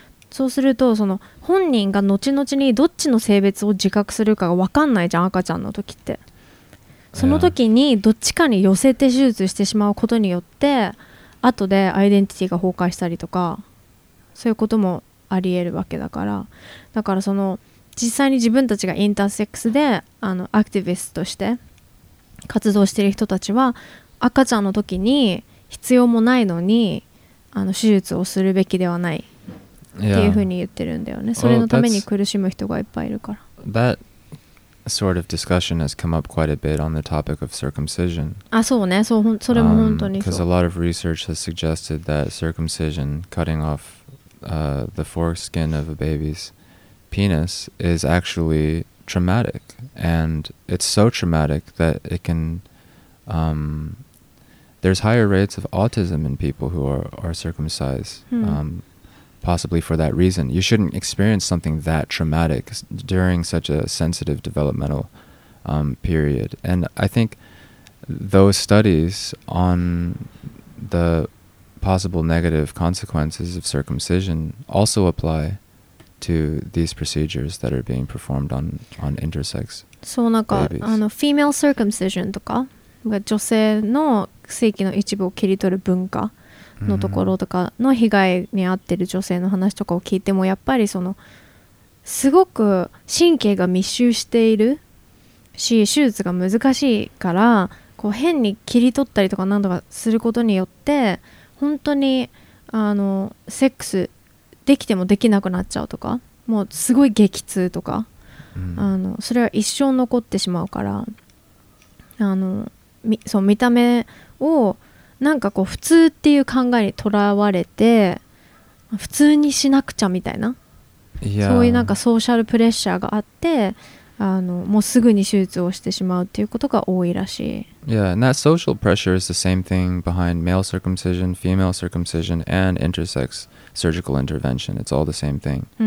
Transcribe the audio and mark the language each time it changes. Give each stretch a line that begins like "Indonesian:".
Japanese: そうするとその本人が後々にどっちの性別を自覚するかが分かんないじゃん赤ちゃんの時ってその時にどっちかに寄せて手術してしまうことによって後でアイデンティティが崩壊したりとかそういうこともあり得るわけだからだからその実際に自分たちがインターセックスであのアクティビストとして活動してる人たちは赤ちゃんの時に必要もないのにあの手術をするべきではないっていうふうに言ってるんだよね、
English: yeah.
Japanese: それのために苦しむ人がいっぱいいるから、
English: well, that sort of discussion has come up quite a bit on the topic of circumcision
Japanese: あそうねそう、それも本当にそう
English: because a lot of research has suggested that circumcision cutting off the foreskin of a baby's penis is actually traumatic, and it's so traumatic that it can there's higher rates of autism in people who are circumcised. Possibly for that reason. You shouldn't experience something that traumatic during such a sensitive developmental period. And I think those studies on the possible negative consequences of circumcision also apply to these procedures that are being performed on intersex
Japanese: そうなんか、
English: babies.
Japanese: あの、
English: female circumcision
Japanese: とか、女性の性器の一部を切り取る文化のところとかの被害に遭ってる女性の話とかを聞いてもやっぱりそのすごく神経が密集しているし手術が難しいからこう変に切り取ったりとか何とかすることによって本当にあのセックスできてもできなくなっちゃうとかもうすごい激痛とか、うん、あのそれは一生残ってしまうからあのそう見た目をなんかこう普通っていう考えにとらわれて普通にしなくちゃみたいな、
English: yeah.
Japanese: そういうなんかソーシャルプレッシャーがあってあのもうすぐに手術をしてしまうっていうことが多いらしい
English: Yeah, and that social pressure is the same thing behind male circumcision, female circumcision and intersex surgical intervention. It's all the same thing.